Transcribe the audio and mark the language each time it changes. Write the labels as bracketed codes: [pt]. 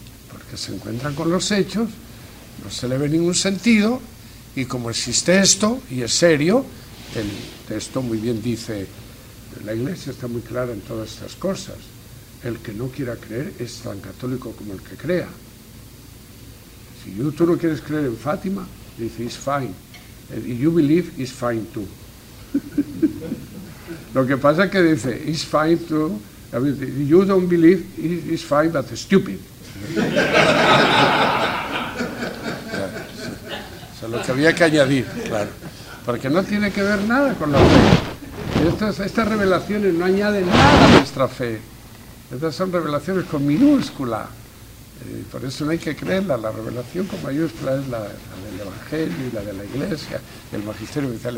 [es] Porque se encuentran con los hechos, no se le ve ningún sentido, y como existe esto, y es serio, el texto muy bien dice, la Iglesia está muy clara en todas estas cosas, el que no quiera creer es tan católico como el que crea. Si tú no quieres creer en Fátima, dice, [en] it's fine, if you believe, it's fine too. [es] Lo que pasa es que dice, [en] it's fine too, I mean, if you don't believe, it's fine but stupid. [es] O sea, lo que había que añadir, claro, porque no tiene que ver nada con la fe. Estas revelaciones no añaden nada a nuestra fe. Estas son revelaciones con minúscula. Por eso no hay que creerla. La revelación con mayúscula es la del Evangelio y la de la Iglesia, el Magisterio Oficial.